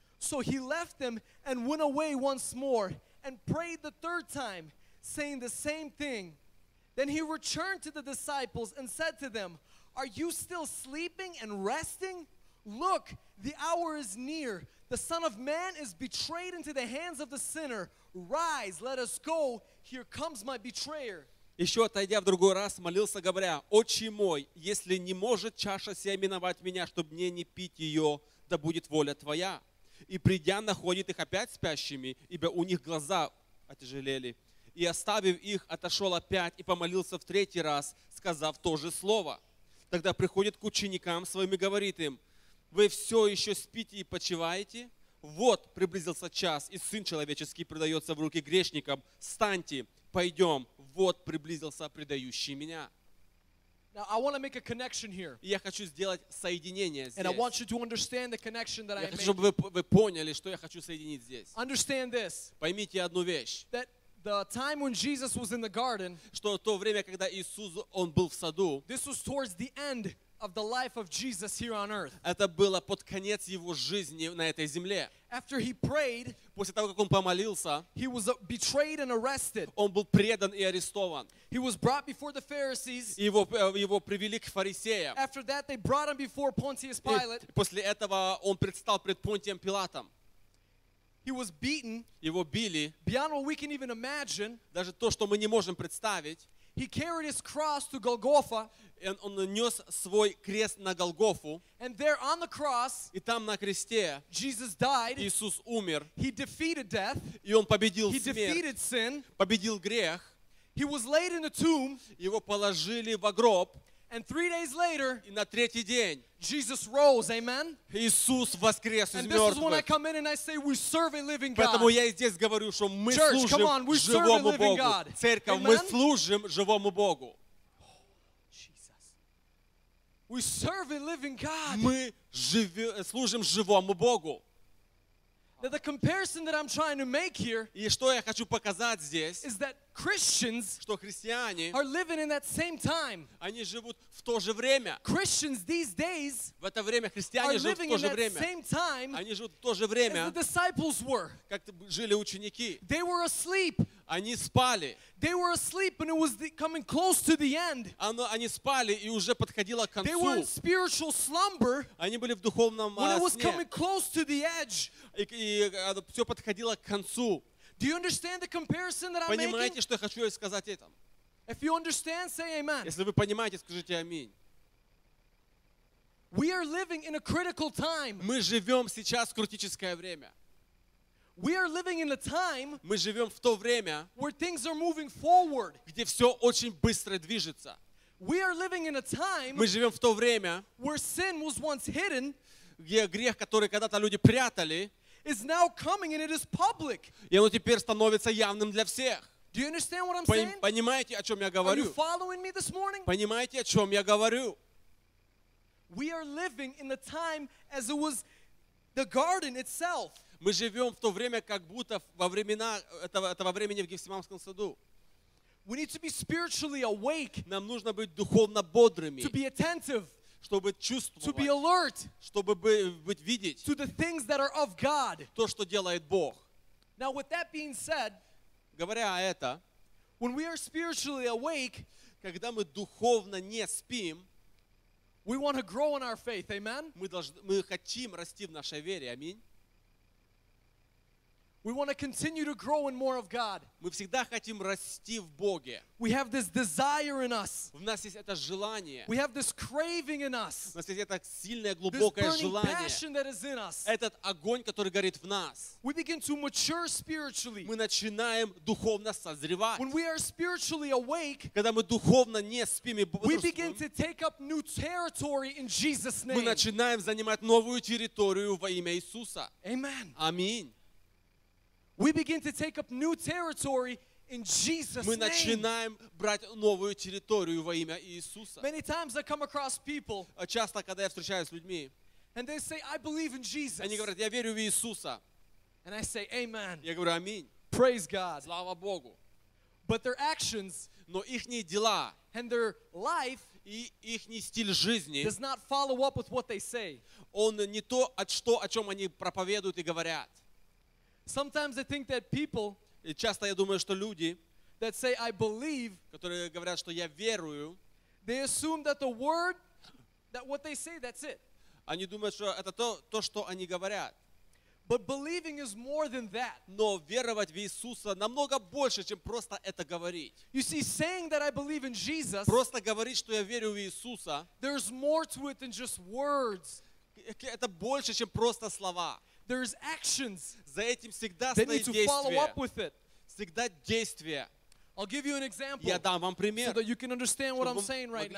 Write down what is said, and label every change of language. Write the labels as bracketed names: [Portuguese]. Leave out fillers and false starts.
[English] So he left them and went away once more and prayed the third time, saying the same thing. Then he returned to the disciples and said to them, Are you still sleeping and resting? Look, the hour is near. The Son of Man is betrayed into the hands of the sinner. Rise, let us go. Here comes my betrayer. [Russian] Еще отойдя в другой раз, молился, говоря, «Отче мой, если не может чаша сия миновать меня, чтобы мне не пить ее, да будет воля Твоя». И придя, находит их опять спящими, ибо у них глаза отяжелели. И оставив их, отошел опять и помолился в третий раз, сказав то же слово. Тогда приходит к ученикам своим и говорит им, «Вы все еще спите и почиваете? Вот приблизился час, и Сын Человеческий предается в руки грешникам. Встаньте, пойдем». Вот приблизился предающий меня. [English] Now, I want to make a connection here. [Russian] Я хочу сделать соединение здесь. [English] And I want you to understand the connection that [Russian] я хочу, чтобы вы поняли, что я хочу соединить здесь. [English] Understand this. [Russian] Поймите одну вещь. [English] That the time when Jesus was in the garden, [Russian] что то время, когда Иисус он был в саду, [English] this was towards the end of the life of Jesus here on earth. [Russian] Это было под конец его жизни на этой земле. [English] After he prayed, [Russian] после того, как он помолился, [English] he was betrayed and arrested. [Russian] Он был предан и арестован. [English] He was brought before the Pharisees. [Russian] Его привели к фарисеям. [English] After that, they brought him before Pontius Pilate. [Russian] И после этого он предстал пред Понтием Пилатом. [English] He was beaten. [Russian] Его били. [English] Beyond what we can even imagine. [Russian] Даже то, что мы не можем представить. [English] He carried his cross to Golgotha. [Russian] And он нёс свой крест на Голгофу. [English] And there on the cross, [Russian] и там на кресте, [English] Jesus died. [Russian] Иисус умер. [English] He defeated death. [Russian] И он победил [English] he [Russian] смерть. [English] He defeated sin. [Russian] Победил грех. [English] He was laid in a tomb. [Russian] Его положили во гроб. [English] And 3 days later, [Russian] и на третий день, [English] Jesus rose, amen? [Russian] Иисус воскрес из мертвых. [English] And this is when I come in and I say, we serve a living God. [Russian] Поэтому я здесь говорю, что мы [English] Church, [Russian] служим [English] come on, we [Russian] живому [English] serve a living God. [Russian] Богу. Церковь, amen? Мы служим живому Богу. [English] We serve a living God. [Russian] Мы служим живому Богу. [English] Now the comparison that I'm trying to make here, [Russian] и что я хочу показать здесь, [English] is that Christians, [Russian] что христиане, [English] are living in that same time. [Russian] Они живут в то же время. [English] Christians these days, [Russian] в это время христиане живут в то же время. [English] Same time, [Russian] они живут в то же время. [English] As the disciples were, [Russian] как жили ученики. [English] They were asleep. [Russian] Они спали. [English] They were asleep and it was coming close to the end. [Russian] Они спали и уже подходило к концу. [English] They were in spiritual slumber. [Russian] Они были в духовном [English] сне. When it was coming close to the edge. [Russian] И все подходило к концу. [English] Do you understand the comparison that I'm making? [Russian] Понимаете, что я хочу сказать этом? [English] If you understand, say amen. [Russian] Если вы понимаете, скажите аминь. [English] We are living in a critical time. [Russian] Мы живем сейчас в критическое время. [English] We are living in a time. [Russian] Мы живем в то время, [English] where things are moving forward. [Russian] Где все очень быстро движется. [English] We are living in a time. [Russian] Мы живем в то время, [English] where sin was once hidden. [Russian] Где грех, который когда-то люди прятали, [English] is now coming and it is public. [Russian] И оно теперь становится явным для всех. [English] Do you understand what I'm saying? [Russian] Понимаете, о чем я говорю? [English] Are you following me this morning? [Russian] Понимаете, о чем я говорю? [English] We are living in a time as it was the garden itself. [Russian] Мы живем в то время, как будто во времена этого времени в Гефсиманском саду. [English] We need to be spiritually awake. [Russian] Нам нужно быть духовно бодрыми. [English] To be attentive. [Russian] Чтобы чувствовать. [English] To be alert. [Russian] Чтобы быть видеть. [English] To the things that are of God. [Russian] То, что делает Бог. [English] Now, with that being said, [Russian] говоря о это, [English] when we are spiritually awake, [Russian] когда мы духовно не спим, [English] we want to grow in our faith. Amen. [Russian] Мы хотим расти в нашей вере. Аминь. [English] We want to continue to grow in more of God. [Russian] Ми всегда хотим расти в Боге. [English] We have this desire in us. [Russian] В нас есть это желание. [English] We have this craving in us. [Russian] У нас есть это сильное, глубокое желание. [English] This passion that is in us. [Russian] Этот огонь, который горит в нас. [English] We begin to mature spiritually. [Russian] Мы начинаем духовно созревать. [English] When we are spiritually awake, [Russian] когда мы духовно не спим, [English] we begin to take up new territory in Jesus' name. [Russian] Мы начинаем занимать новую территорию во имя Иисуса. [English] Amen. [Russian] Аминь. [English] We begin to take up new territory in Jesus' [Russian] name. Мы начинаем брать новую территорию во имя Иисуса. [English] Many times I come across people. [Russian] Часто, когда я встречаюсь с людьми. [English] And they say, I believe in Jesus. [Russian] Они говорят, я верю в Иисуса. [English] And I say, Amen. [Russian] Я говорю, аминь. [English] Praise God. [Russian] Слава Богу. [English] But their actions. [Russian] Но ихние дела. [English] And their life. [Russian] И ихний стиль жизни. [English] Does not follow up with what they say. [Russian] Он не то, о чем они проповедуют и говорят. [English] Sometimes I think that people, [Russian] часто я думаю, что люди, [English] that say I believe, [Russian] которые говорят, что я верую, [English] they assume that the word, that what they say, that's it. [Russian] Они думают, что это то, что они говорят. [English] But believing is more than that. [Russian] Но веровать в Иисуса намного больше, чем просто это говорить. [English] You see, saying that I believe in Jesus, [Russian] просто говорить, что я верю в Иисуса, [English] there's more to it than just words. [Russian] Это больше, чем просто слова. [English] There's actions. [Russian] За этим всегда стоит действие. [English] They need to follow up with it. [Russian] Всегда действие. [English] I'll give you an example. [Russian] Я дам вам пример. [English] So that you can understand what I'm saying right now.